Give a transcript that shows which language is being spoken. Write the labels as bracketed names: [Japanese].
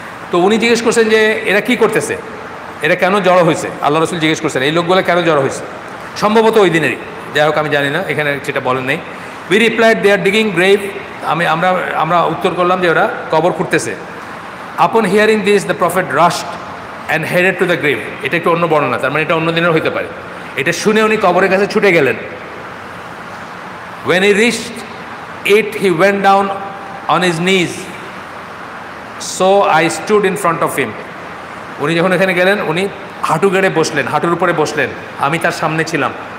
[Bangla] তো উনি জিজ্ঞেস করছেন যে এরা কী করতেছে, এরা কেন জড়ো হয়েছে, আল্লাহ রাসূল জিজ্ঞেস করছেন এই লোকগুলো কেন জড়ো হয়েছে, সম্ভবত ওই দিনেরই, যাই হোক আমি জানি না, এখানে সেটা বলেন নেই। [English] we replied they are digging grave, [Bangla] আমি আমরা আমরা উত্তর করলাম যে ওরা কবর খুঁড়তেছে। [English] upon hearing this the prophet rushed and headed to the grave, [Bangla] এটা একটু অন্য বর্ণনা, তার মানে এটা অন্য দিনের হইতে পারে, এটা শুনে উনি কবরের কাছে ছুটে গেলেন। [English] When he reached it, he went down on his knees. So I stood in front of him. [Bangla] উনি যখন এখানে গেলেন উনি হাঁটু গেড়ে বসলেন, হাঁটুর উপরে বসলেন, আমি তার সামনে ছিলাম।